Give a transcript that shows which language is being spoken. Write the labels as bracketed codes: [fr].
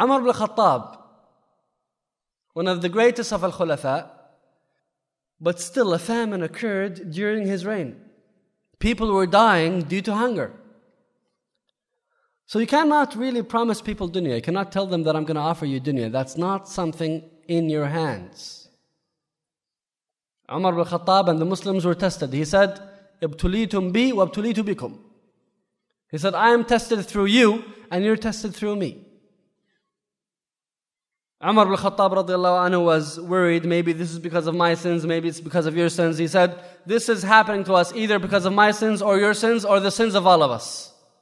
[en] Umar ibn al-Khattab, one of the greatest of al-Khulafa, but still a famine occurred during his reign. People were dying due to hunger. So you cannot really promise people dunya. You cannot tell them that I'm going to offer you dunya. That's not something in your hands. Umar ibn al-Khattab and the Muslims were tested. He said, [ar] ابتليتم بي وابتليت بكم. [en] He said, I am tested through you and you're tested through me. Umar ibn al-Khattab radiallahu anhu was worried, maybe this is because of my sins, maybe it's because of your sins. He said, this is happening to us either because of my sins or your sins or the sins of all of us.